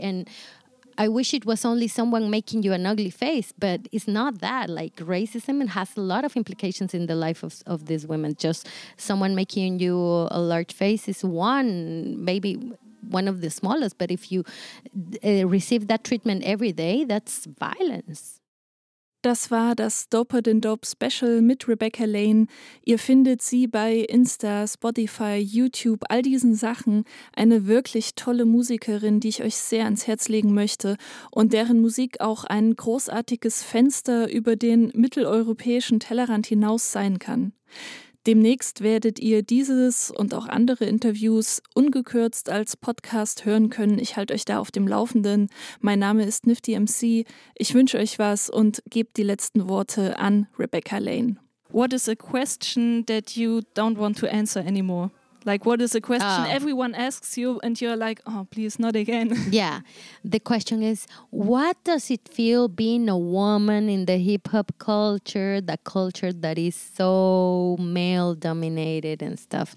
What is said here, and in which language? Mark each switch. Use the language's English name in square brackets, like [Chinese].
[English] And I wish it was only someone making you an ugly face, but it's not that. Like, racism has a lot of implications in the life of these women. Just someone making you a large face is one, maybe one of the smallest. But if you receive that treatment every day, that's violence. [German] Das war das Doper den Dope Special mit Rebecca Lane. Ihr findet sie bei Insta, Spotify, YouTube, all diesen Sachen. Eine wirklich tolle Musikerin, die ich euch sehr ans Herz legen möchte und deren Musik auch ein großartiges Fenster über den mitteleuropäischen Tellerrand hinaus sein kann. Demnächst werdet ihr dieses und auch andere Interviews ungekürzt als Podcast hören können. Ich halte euch da auf dem Laufenden. Mein Name ist Nifty MC. Ich wünsche euch was und gebe die letzten Worte an Rebecca Lane. [English] What is a question that you don't want to answer anymore? Like, what is a question everyone asks you and you're like, oh, please, not again. Yeah. The question is, what does it feel being a woman in the hip-hop culture, the culture that is so male-dominated and stuff?